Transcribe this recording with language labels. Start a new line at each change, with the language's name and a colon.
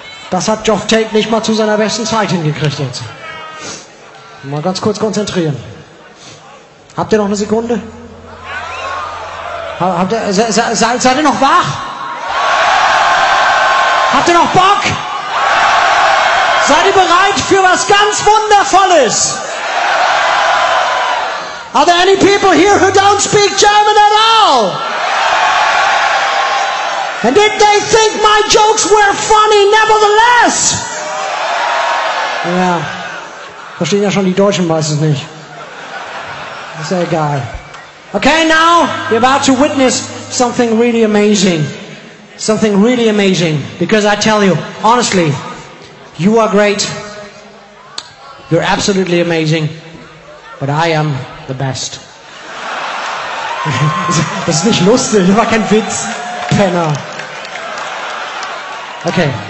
German: Das hat Geoff Tate nicht mal zu seiner besten Zeit hingekriegt jetzt. Mal ganz kurz konzentrieren. Habt ihr noch eine Sekunde? Seid ihr noch wach? Habt ihr noch Bock? Seid ihr bereit für was ganz Wundervolles?
English: Are there any people here who don't speak German at all? And did they think my jokes were funny nevertheless?
German: Ja, verstehen ja schon die Deutschen meistens nicht. Ist ja egal.
English: Okay, now you're about to witness something really amazing. Something really amazing. Because I tell you, honestly, you are great. You're absolutely amazing. But I am the best.
German: Das ist nicht lustig, das war kein Witz, Penner. Okay.